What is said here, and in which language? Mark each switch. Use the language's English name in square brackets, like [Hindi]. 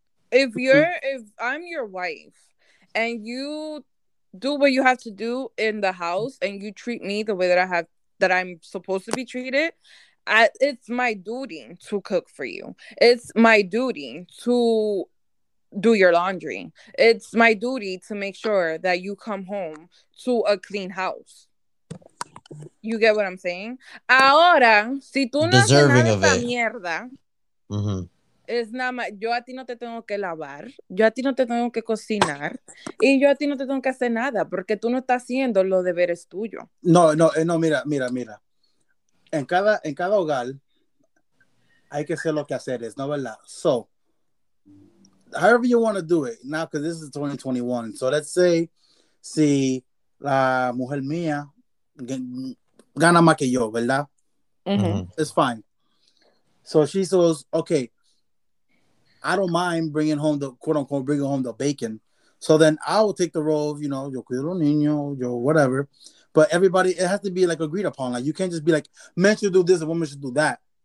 [English] If you're, if I'm your wife and you do what you have to do in the house and you treat me the way that I have, that I'm supposed to be treated, it's my duty to cook for you. It's my duty to do your laundry. It's my duty to make sure that you come home to a clean house. You get what I'm saying? [Spanish] Ahora, si tú no haces nada de mierda, es nada más, yo a ti no te tengo que lavar, yo a ti no te tengo que cocinar, y yo a ti no te tengo que hacer nada, porque tú no estás haciendo los deberes tuyos. No, no, no, mira, mira, mira. En cada hogar hay que hacer lo que hacer es, ¿no verdad? [English] So, however you want to do it now, because this is 2021. So let's say, [Spanish] si la mujer mía gana más que yo, ¿verdad? [English] Mm-hmm. It's fine. So she says, okay, I don't mind bringing home the quote unquote bringing home the bacon. So then I will take the role of, you know, [Spanish] yo cuido los niños, yo [English] whatever. But everybody, it has to be like agreed upon. Like, you can't just be like, men should do this, a woman should do that.